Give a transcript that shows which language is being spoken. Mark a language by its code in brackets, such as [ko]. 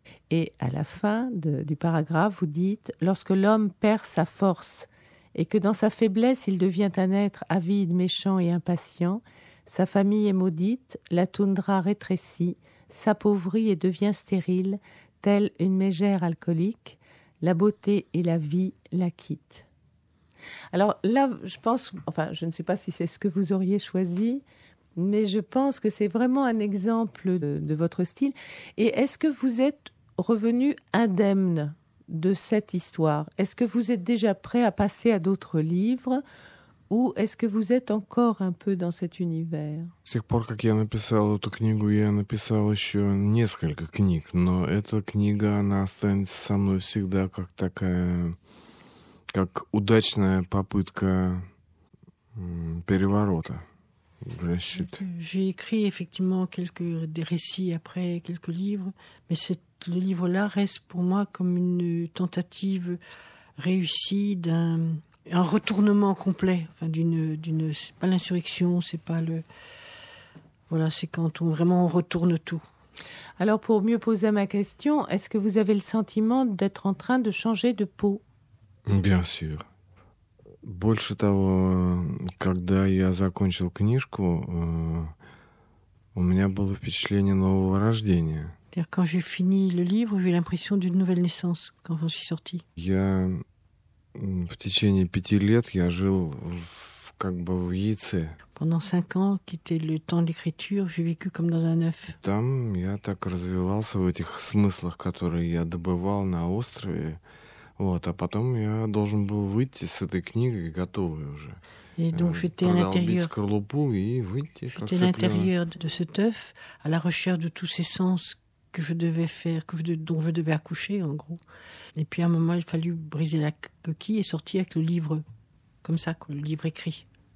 [fr] Et à la fin du paragraphe, vous dites « Lorsque l'homme perd sa force et que dans sa faiblesse il devient un être avide, méchant et impatient, sa famille est maudite, la toundra rétrécit, s'appauvrit et devient stérile, telle une mégère alcoolique, la beauté et la vie la quittent. » Alors là, je pense, enfin je ne sais pas si c'est ce que vous auriez choisi, mais je pense que c'est vraiment un exemple de votre style. Et est-ce que vous êtes revenu indemne de cette histoire ? Est-ce que vous êtes déjà prêt à passer à d'autres livres ? Ou est-ce que vous êtes encore un peu dans cet univers? [ru] С тех пор, как я написал эту книгу, я написал еще несколько книг, но эта книга, она останется со мной всегда как такая, как удачная попытка переворота. [fr] J'ai écrit effectivement des récits après quelques livres, mais le livre-là reste pour moi comme une tentative réussie d'un... un retournement complet, enfin d'une c'est pas l'insurrection, c'est pas le voilà, c'est quand on vraiment on retourne tout. Alors pour mieux poser ma question, est-ce que vous avez le sentiment d'être en train de changer de peau? Bien sûr. [ru] Больше того, когда я закончил книжку, у меня было впечатление нового рождения. [fr] C'est-à-dire quand j'ai fini le livre, j'ai l'impression d'une nouvelle naissance quand j'en suis sorti. [ru] В течение пяти лет я жил в яйце. [fr] Pendant 5 ans, qui était le temps d'écriture, j'ai vécu comme dans un œuf. [ru] Там я так развивался в этих смыслах, которые я добывал на острове. Вот, а потом я должен был выйти с этой книгой готовый уже. [fr] Et donc j'étais à l'intérieur. [ru] Скорлупу и выйти [fr] j'étais [ru] как цыплёнок. [fr] J'étais à l'intérieur de cet œuf, à la recherche de tous ces sens que je devais faire, dont je devais accoucher en gros. Et puis à un moment, il a fallu briser la coquille et sortir avec le livre, comme ça, quoi, le livre écrit.